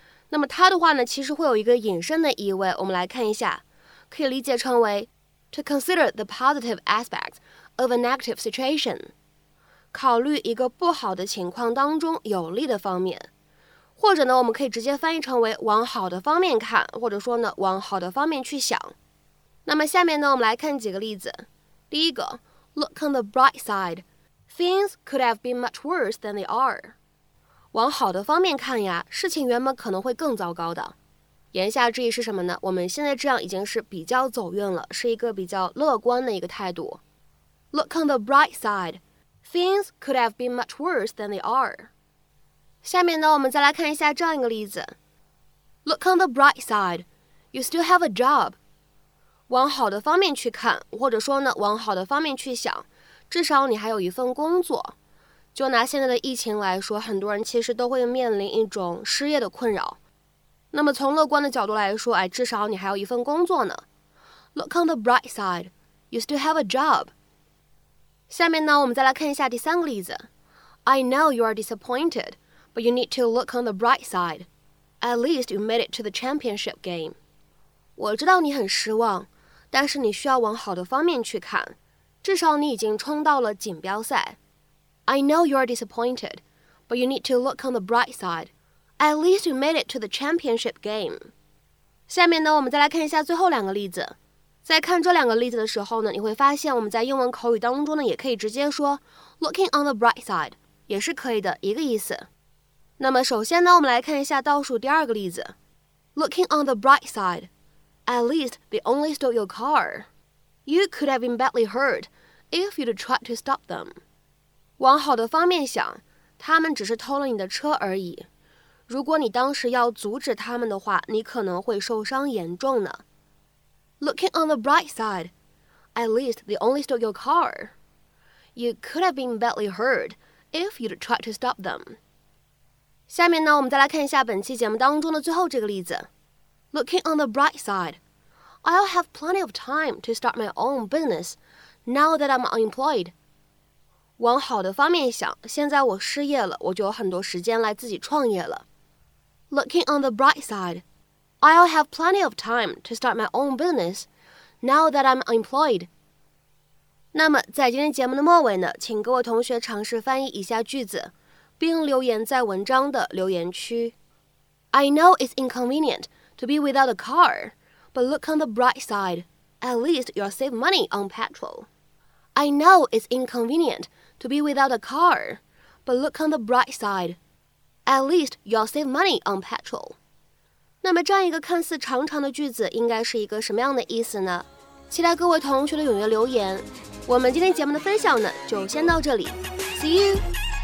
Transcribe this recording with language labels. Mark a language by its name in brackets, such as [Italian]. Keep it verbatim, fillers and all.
[Chinese] 那么它的话呢，其实会有一个引申的意味，我们来看一下，可以理解成为 [English] To consider the positive aspects of a negative situation， [Chinese] 考虑一个不好的情况当中有利的方面。或者呢，我们可以直接翻译成为往好的方面看，或者说呢，往好的方面去想。那么下面呢，我们来看几个例子。第一个 [English] Look on the bright side. Things could have been much worse than they are. [Chinese] 往好的方面看呀，事情原本可能会更糟糕的。言下之意是什么呢？我们现在这样已经是比较走运了，是一个比较乐观的一个态度。 [English] Look on the bright side. Things could have been much worse than they are. [Chinese] 下面呢，我们再来看一下这样一个例子。 [English] Look on the bright side. You still have a job. [Chinese] 往好的方面去看，或者说呢，往好的方面去想，至少你还有一份工作。就拿现在的疫情来说，很多人其实都会面临一种失业的困扰。那么从乐观的角度来说，哎，至少你还有一份工作呢。 [English] Look on the bright side, you still have a job. [Chinese] 下面呢，我们再来看一下第三个例子。 [English] I know you are disappointed, but you need to look on the bright side. At least you made it to the championship game. [Chinese] 我知道你很失望。但是你需要往好的方面去看，至少你已经冲到了锦标赛。 [English] I know you are disappointed, but you need to look on the bright side. At least you made it to the championship game. [Chinese] 下面呢，我们再来看一下最后两个例子。在看这两个例子的时候呢，你会发现我们在英文口语当中呢，也可以直接说 [English] looking on the bright side [Chinese] 也是可以的一个意思。那么首先呢，我们来看一下倒数第二个例子 ， [English] looking on the bright side. At least they only stole your car. You could have been badly hurt if you'd tried to stop them. [Chinese] 往好的方面想，他们只是偷了你的车而已。如果你当时要阻止他们的话，你可能会受伤严重呢。 [English] Looking on the bright side, at least they only stole your car. You could have been badly hurt if you'd tried to stop them. [Chinese] 下面呢，我们再来看一下本期节目当中的最后这个例子。 [English] Looking on the bright side, I'll have plenty of time to start my own business now that I'm unemployed. [Chinese] 往好的方面想，现在我失业了，我就有很多时间来自己创业了。 [English] Looking on the bright side, I'll have plenty of time to start my own business now that I'm unemployed. [Chinese] 那么在今天节目的末尾呢，请各位同学尝试翻译以下句子，并留言在文章的留言区。 [English] I know it's inconvenient to be without a car, but look on the bright side. At least you'll save money on petrol. I know it's inconvenient to be without a car, but look on the bright side. At least you'll save money on petrol. [Chinese] 那么这样一个看似长长的句子应该是一个什么样的意思呢？期待各位同学的踊跃留言。我们今天节目的分享呢，就先到这里。 [English] See you!